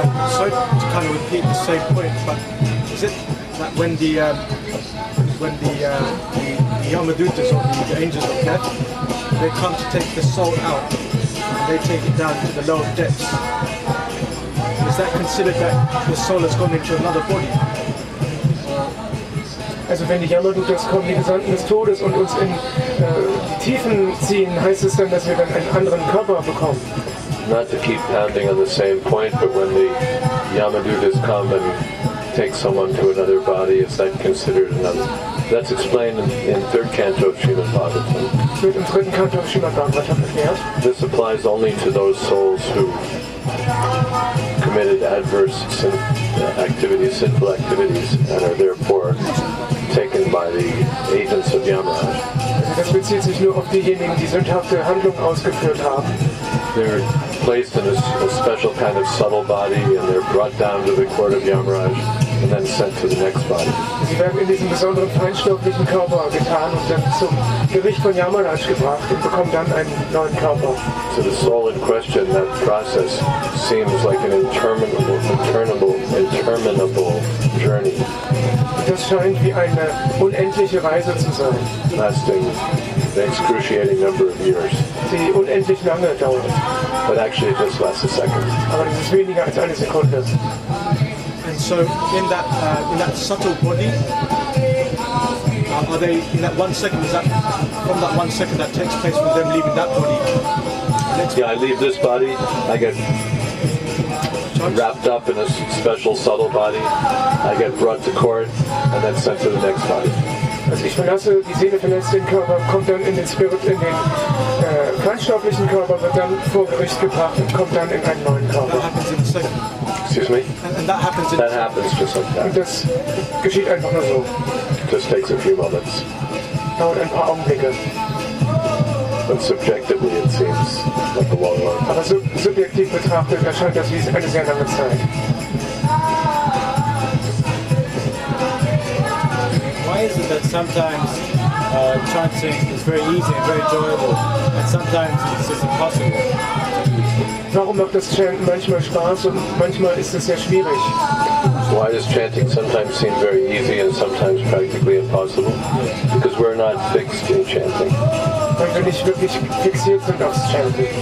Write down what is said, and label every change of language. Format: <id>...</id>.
<en>Sorry to kind of repeat the same point, but is it that when the Yamadutas, or the angels of death, they come to take the soul out, and they take it down to the lower depths, is that considered that the soul has gone into another body?</en> <de>Also wenn die Yamadutas kommen, die Gesandten des Todes, und uns in die Tiefen ziehen, heißt es dann, dass wir dann einen anderen Körper bekommen?</de> <en>Not to keep pounding on the same point, but when the Yamadutas come and take someone to another body, is that considered another? That's explained in third canto of Srimad Bhagavatam. This applies only to those souls who committed adverse sinful activities, and are therefore taken by the agents of Yamaraj.</en> <de>Das bezieht sich nur auf diejenigen, die sündhafte Handlungen ausgeführt haben.</de> <en>They're placed in a special kind of subtle body, and they're brought down to the court of Yamaraj, and then sent to the next body.</en> <de>Sie werden in diesen besonderen feinstofflichen Körper getan und dann zum Gericht von Yamaraj gebracht und bekommen dann einen neuen Körper.</de> <en>To the soul in question, that process seems like an interminable journey.</en> <de>Das scheint wie eine unendliche Reise zu sein.</de> <en>Lasting an excruciating number of years.</en> <de>Die unendlich lange dauert.</de> <en>But actually it just lasts a second.</en> <de>Aber es ist weniger als eine Sekunde.</de> <en>And so in that subtle body, are they in that 1 second, is that from that 1 second that takes place with them leaving that body? Yeah, I leave this body, I get so wrapped up in a special subtle body. I get brought to court and then sent to the next body.</en> <de>Also ich verlasse die Seele, verlässt den Körper, kommt dann in den Spirit, in den feinstofflichen Körper, wird dann vor Gericht gebracht und kommt dann in einen neuen Körper.</de> <en>Excuse me? And that happens in that the happens just like that.</en> <de>Und das geschieht einfach nur so.</de> <en>Just takes a few moments.</en> <de>Dauert ein paar Augenblicke.</de> <en>But subjectively it seems like a long time.</en> <de>Aber subjektiv betrachtet erscheint das wie eine sehr lange Zeit.</de> <en>Why is it that sometimes chanting is very easy and very enjoyable, and sometimes it's just impossible?</en> <de>Warum macht das Chanten manchmal Spaß und manchmal ist es sehr schwierig?</de> <en>Why does chanting sometimes seem very easy and sometimes practically impossible? Because we're not fixed in chanting.</en> <de>Weil wir nicht wirklich fixiert sind aufs Chanting.</de>